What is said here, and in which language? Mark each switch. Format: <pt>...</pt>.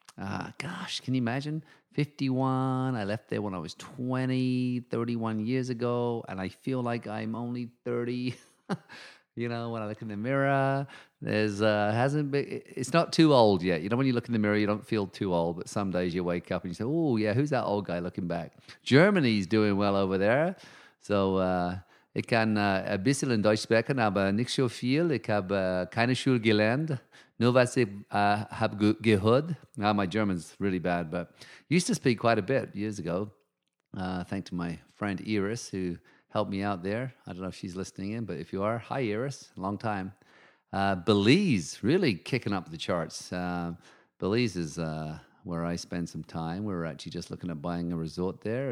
<en>Gosh, can you imagine? 51, I left there when I was 20, 31 years ago, and I feel like I'm only 30. You know, when I look in the mirror, it's not too old yet. You know, when you look in the mirror, you don't feel too old, but some days you wake up and you say, oh, yeah, who's that old guy looking back? Germany's doing well over there.</en> <de>So, ich kann ein bisschen in Deutsch sprechen, aber nicht so viel. Ich habe keine Schule gelernt, nur was ich habe gehört.</de> <en>Now, my German's really bad, but used to speak quite a bit years ago, thanks to my friend Iris, who helped me out there. I don't know if she's listening in, but if you are, hi, Iris, long time. Belize, really kicking up the charts. Belize is where I spend some time. We're actually just looking at buying a resort there.</en>